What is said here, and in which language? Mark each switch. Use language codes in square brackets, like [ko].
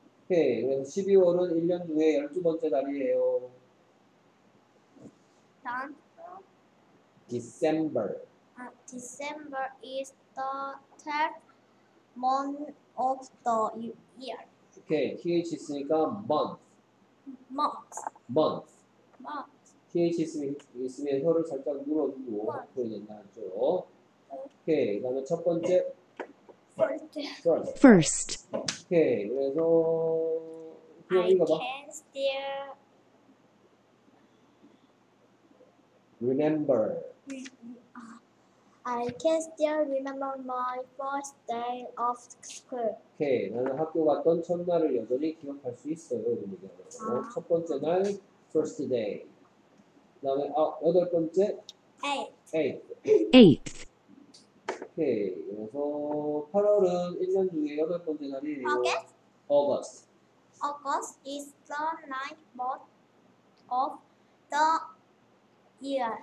[ko] 오케이, 12월은 1년 중에 12번째 달이에요. [en] December. December is the 12th month of the year. [ko] 오케이, TH 있으니까 month. [en] Month. [ko] TH 있으면 혀를 살짝 눌러주고 목표에 된다 하죠. 오케이, 그 다음에 첫 번째. [en] First. [ko] 오케이, 그래서 [en] I can still remember. I can still remember my first day of school. [ko] Okay, 나는 학교 갔던 첫날을 여전히 기억할 수 있어요. 이렇게 말하고 첫 번째 날, [en] first day. [ko] 다음에 여덟 번째. [en] Eighth. [ko] Okay, 그래서 8월은 1년 중에 여덟 번째 날이에요. [en] August. August. August is the ninth month of the year.